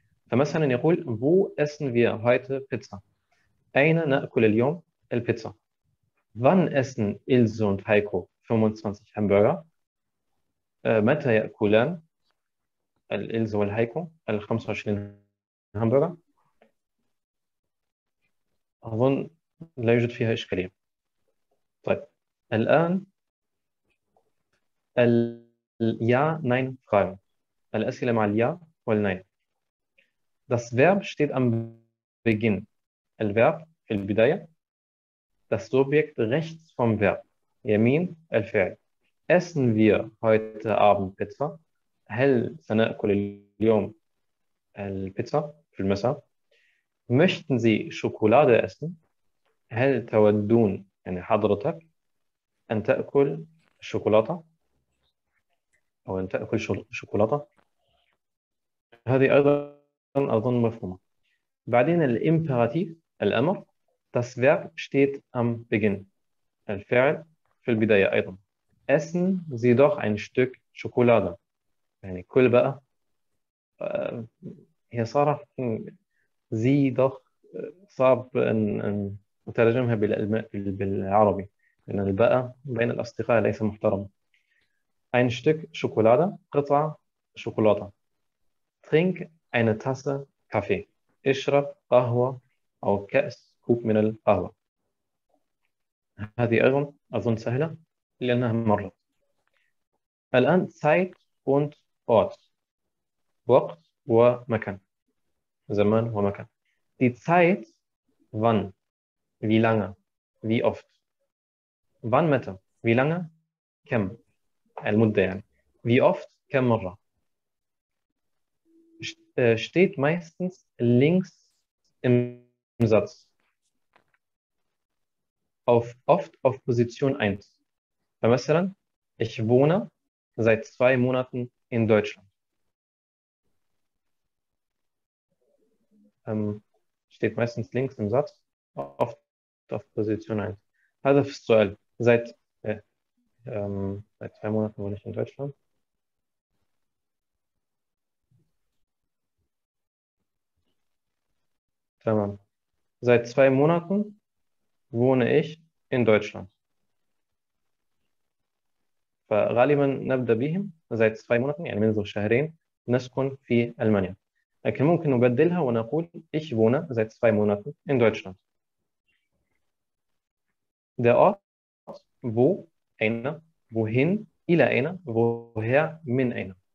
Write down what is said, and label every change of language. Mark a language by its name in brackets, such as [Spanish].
[Arabic] فمثلا يقول [German] Wo essen wir heute Pizza؟ [Arabic] اين ناكل اليوم البيتزا؟ [German] Wann essen Ilse und Heiko 25 [Arabic] همبرجر؟ متى يأكلان الإلز والهايكو ال 25 همبرجر؟ أظن لا يوجد فيها إشكالية. طيب الآن ال يا ناين فراغ، الأسئلة مع اليا والناين. [German] Das Verb steht am Beginn. [Arabic] الفيرب في البداية. [German] Das Subjekt rechts vom Verb. [Arabic] يمين الفعل. [German] Essen wir heute Abend Pizza. [Arabic] هل سنأكل اليوم البيتزا في المساء؟ [German] Möchten Sie Schokolade essen؟ [Arabic] هل تودون يعني حضرتك أن تأكل الشوكولاتة؟ أو أن تأكل شوكولاتة؟ هذه أيضا أظن مفهومة. بعدين الإمبراتيف الأمر. [German] Das Verb steht am Beginn. [Arabic] الفعل في البداية أيضا. [German] Essen Sie doch ein Stück Schokolade. [Arabic] يعني كل بقى هي صار زي دوخ صعب أن أترجمها بالعربي لأن الباء بين الأصدقاء ليس محترم. [German] Ein Stück Schokolade, [Arabic] قطعة شوكولاتة. [German] Trink eine Tasse Kaffee. [Arabic] اشرب قهوة أو كأس كوب من القهوة. هذه أيضا أظن سهلة لأنها مرت. الآن [German] Zeit und Ort. [Arabic] وقت ومكان. زمان ومكان. [German] Die Zeit wann? Wie lange? Wie oft? Wann [Arabic] متى? [German] Wie lange? [Arabic] كم؟ المدة يعني. [German] Wie oft? [Arabic] كم مرة؟ [German] Steht meistens links im Satz. Auf oft auf Position 1. [Arabic] فمثلا [German] Ich wohne seit 2 Monaten in Deutschland. Steht meistens links im Satz, oft auf Position 1. Also seit 2 Monaten wohne ich in Deutschland. Tamam. Seit 2 Monaten wohne ich in Deutschland. [Arabic] فغالبا نبدأ بهم زي 2 مونات يعني منذ شهرين نسكن في ألمانيا، لكن ممكن نبدلها ونقول [German] ich wohne seit 2 [Arabic] مونات [German] in Deutschland. Der Ort wo [Arabic] أين [German] wohin [Arabic] إلى أين [German] woher [Arabic] من أين.